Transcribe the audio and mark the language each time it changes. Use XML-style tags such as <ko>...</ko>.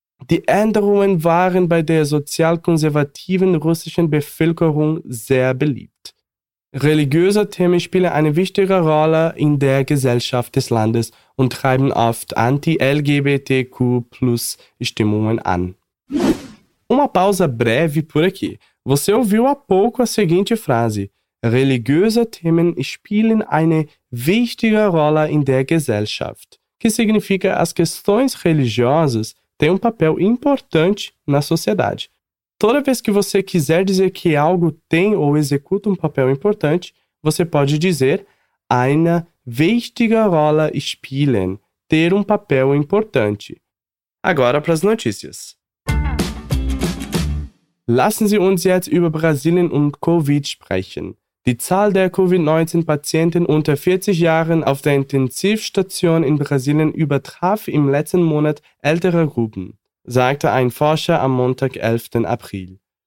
<de>Die Änderungen waren bei der sozialkonservativen russischen Bevölkerung sehr beliebt. Religiöse Themen spielen eine wichtige Rolle in der Gesellschaft des Landes und treiben oft Anti-LGBTQ+-Stimmungen an.</de> <pt>Uma pausa breve por aqui. Você ouviu há pouco a seguinte frase:</pt> <de>religiöse Themen spielen eine wichtige Rolle in der Gesellschaft,</de> <pt>que significa as questões religiosas tem um papel importante na sociedade. Toda vez que você quiser dizer que algo tem ou executa um papel importante, você pode dizer</pt> <de>eine wichtige Rolle spielen,</de> <pt>ter um papel importante. Agora para as notícias.</pt> <de>Lassen Sie uns jetzt über Brasilien und Covid sprechen. Die Zahl der Covid-19-Patienten unter 40 Jahren auf der Intensivstation in Brasilien übertraf im letzten Monat ältere Gruppen, sagte ein Forscher am Montag, 11. April.</de>